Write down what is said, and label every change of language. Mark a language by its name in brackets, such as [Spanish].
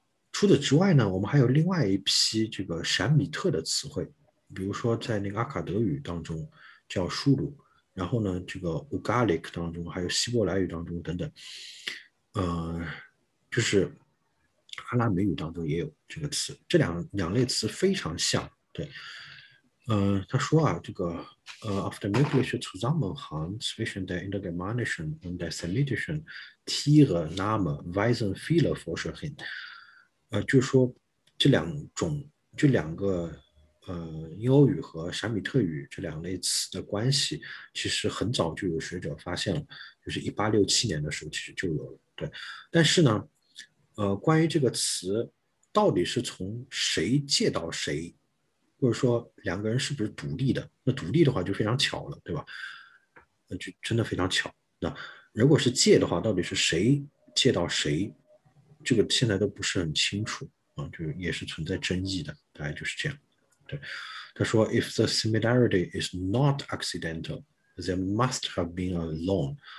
[Chinese] 除此之外呢，我们还有另外一批这个闪米特的词汇，比如说在那个阿卡德语当中叫舒鲁，然后呢这个 Ugalic 当中还有希伯来语当中等等，就是阿拉美语当中也有这个词，这两类词非常像。对，他说啊，这个 [German] auf dem möglichen Zusammenhang zwischen der Indogermanischen und der Semitischen Tiere Name weisen viele Forscher hin。 [Chinese] 就是说这两个英欧语和闪米特语这两类词的关系，其实很早就有学者发现了，就是1867年的时候其实就有了。对，但是呢。关于这个词到底是从谁借到谁，或者说两个人是不是独立的？那独立的话就非常巧了，对吧？那就真的非常巧。那如果是借的话，到底是谁借到谁，这个现在都不是很清楚啊，就是也是存在争议的。大概就是这样。对，他说， [English] If the similarity is not accidental, there must have been a loan。